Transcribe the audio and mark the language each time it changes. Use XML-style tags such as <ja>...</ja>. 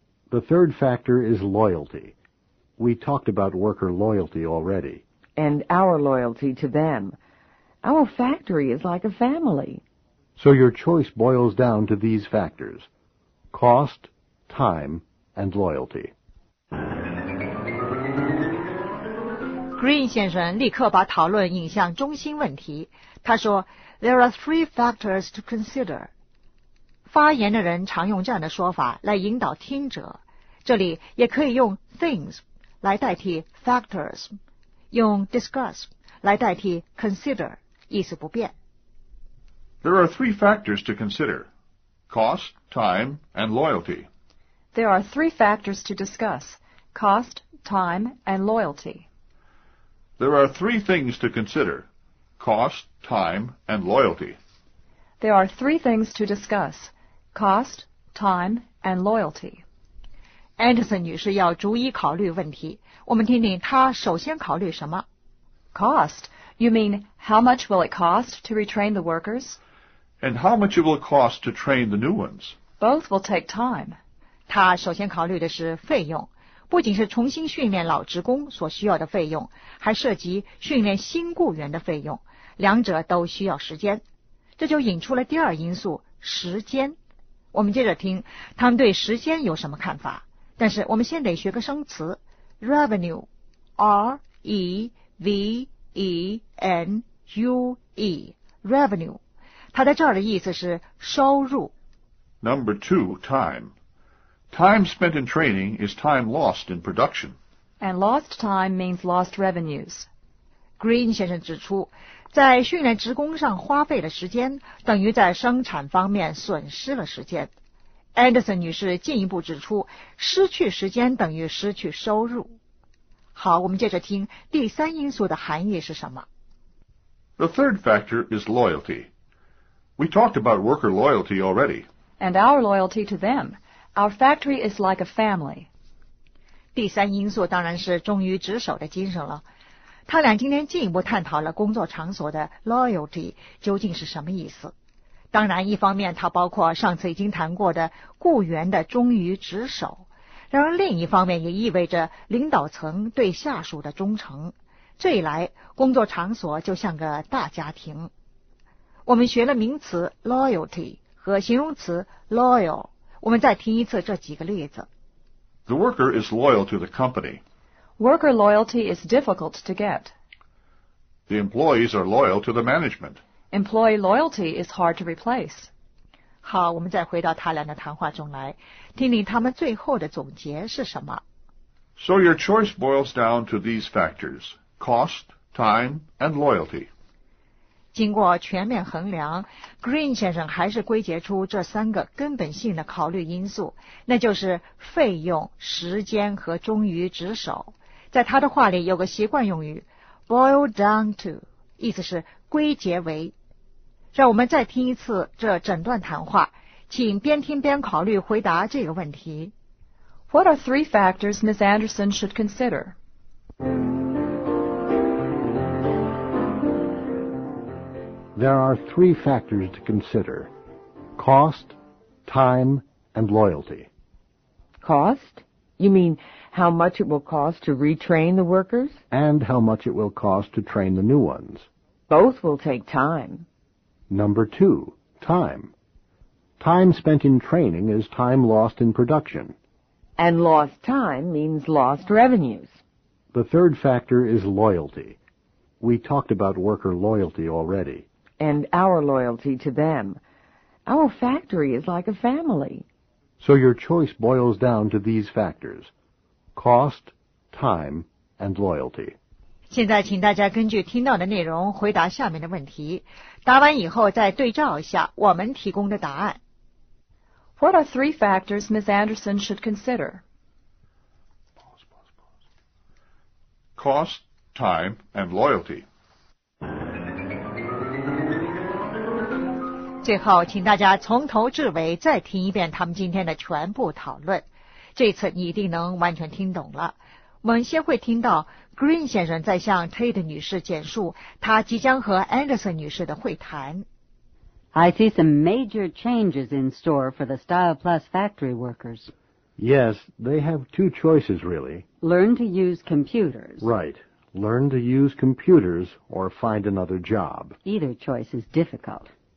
<en>The third factor is loyalty. We talked about worker loyalty already. And our loyalty to them. Our factory is like a family. So your choice boils down to these factors: cost, time, and loyalty.</en> <zh>Green 先生立刻把讨论引向中心问题。他说</zh> <en>,There are three factors to consider.</en> <zh>发言的人常用这样的说法来引导听者。这里也可以用 things 来代替 factors. 用 discuss 来代替 consider， 意思不变。</zh> <en>There are three factors to consider: cost, time, and loyalty. There are three factors to discuss: cost, time, and loyalty. There are three things to consider: cost, time, and loyalty. There are three things to discuss: cost, time, and loyalty.</en> <zh>Anderson 女士要逐一考虑问题，我们听听她首先考虑什么。</zh> <en>Cost. You mean how much will it cost to retrain the workers? And how much it will cost to train the new ones? Both will take time.</en> <zh>她首先考虑的是费用，不仅是重新训练老职工所需要的费用，还涉及训练新雇员的费用，两者都需要时间。这就引出了第二因素，时间。我们接着听，他们对时间有什么看法？但是我们先得学个生词 ,revenue, R-E-V-E-N-U-E, revenue, 它在这儿的意思是收入。</zh> <en>Number two, time. Time spent in training is time lost in production. And lost time means lost revenues.</en> <zh>Green 先生指出，在训练职工上花费的时间，等于在生产方面损失了时间。 Anderson 女士进一步指出，失去时间等于失去收入。好，我们接着听第三因素的含义是什么。</zh> <en>The third factor is loyalty. We talked about worker loyalty already. And our loyalty to them. Our factory is like a family.</en> <zh>第三因素当然是忠于职守的精神了。他俩今天进一步探讨了工作场所的 loyalty 究竟是什么意思。当然，一方面它包括上次已经谈过的雇员的忠于职守，然而另一方面也意味着领导层对下属的忠诚。这一来，工作场所就像个大家庭。我们学了名词 loyalty 和形容词 loyal， 我们再听一次这几个例子。</zh> <en>The worker is loyal to the company. Worker loyalty is difficult to get. The employees are loyal to the management. Employee loyalty is hard to replace.</en> <zh>好，我们再回到他俩的谈话中来，听听他们最后的总结是什么。</zh> <en>So your choice boils down to these factors: cost, time, and loyalty.</en> <zh>经过全面衡量 ，Green 先生还是归结出这三个根本性的考虑因素，那就是费用、时间和忠于职守。在他的话里有个习惯用语 ，boil down to， 意思是。归结为，让我们再听一次这整段谈话，请边听边考虑回答这个问题。</zh> <en>What are three factors Ms. Anderson should consider? There are three factors to consider: cost, time, and loyalty. cost? You mean how much it will cost to retrain the workers? And how much it will cost to train the new ones. Both will take time. Number two, time. Time spent in training is time lost in production. And lost time means lost revenues. The third factor is loyalty. We talked about worker loyalty already. And our loyalty to them. Our factory is like a family. So your choice boils down to these factors: cost, time, and loyalty.</en> <zh>现在请大家根据听到的内容回答下面的问题，答完以后再对照一下我们提供的答案。</zh> <en>What are three factors Ms. Anderson should consider? Cost, time, and loyalty.</en> <zh>最后请大家从头至尾再听一遍他们今天的全部讨论。这次你一定能完全听懂了。我们先会听到 Green 先生在向 Tate 女士简述他即将和 Anderson 女士的会谈。</zh> <en>I see some major changes in store for the Style Plus factory workers. Yes, they have two choices, really. Learn to use computers. Right. Learn to use computers or find another job. Either choice is difficult.</en>